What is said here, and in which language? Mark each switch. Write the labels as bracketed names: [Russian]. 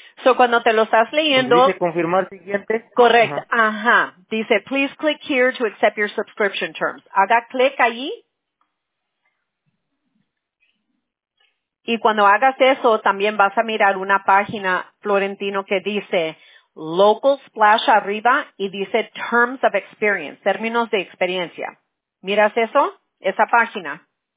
[Spanish] So, cuando te lo estás leyendo. Dice confirmar siguiente. Correcto, ajá. Dice, [English] please click here to accept your subscription terms. [Spanish] Haga clic allí. Y cuando hagas eso, también vas a mirar una página, Florentino, que dice Local Splash arriba y dice Terms of Experience, términos de experiencia. ¿Miras eso? Esa página.